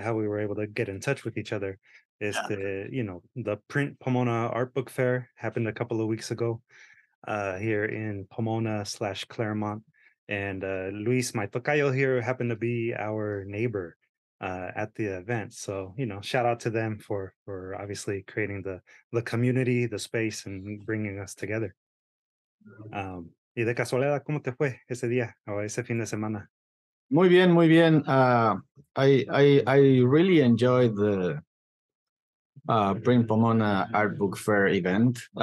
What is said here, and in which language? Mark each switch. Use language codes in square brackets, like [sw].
[en] How we were able to get in touch with each other is the, you know, the Print Pomona Art Book Fair happened a couple of weeks ago here in Pomona/Claremont. And Luis, my tocayo here, happened to be our neighbor at the event. So, you know, shout out to them for obviously creating the community, the space, and bringing us together. [es] Y de casualidad, ¿cómo te fue ese día o ese fin de semana? Muy bien, muy bien. [en] I really enjoyed the Print Pomona Art Book Fair event.